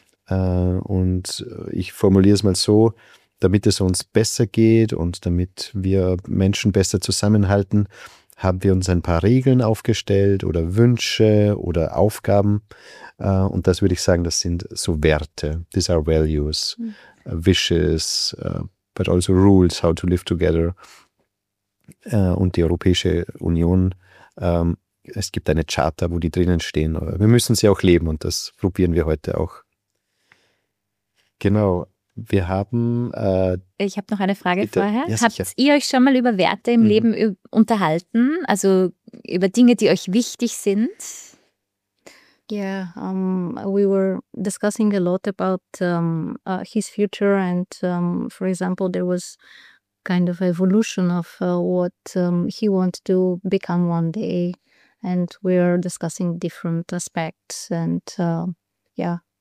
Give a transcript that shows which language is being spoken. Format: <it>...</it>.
<de>Und ich formuliere es mal so, damit es uns besser geht und damit wir Menschen besser zusammenhalten, haben wir uns ein paar Regeln aufgestellt oder Wünsche oder Aufgaben. Und das würde ich sagen, das sind so Werte.</de> <en>These are values, wishes, but also rules, how to live together.</en> <de>Und die Europäische Union, es gibt eine Charta, wo die drinnen stehen. Wir müssen sie auch leben und das probieren wir heute auch. Genau, wir haben... ich habe noch eine Frage vorher. Ja, habt ihr euch schon mal über Werte im Leben unterhalten? Also über Dinge, die euch wichtig sind?</de> <en>Yeah, we were discussing a lot about his future and for example, there was kind of evolution of what he wants to become one day. And we are discussing different aspects and yeah.</en>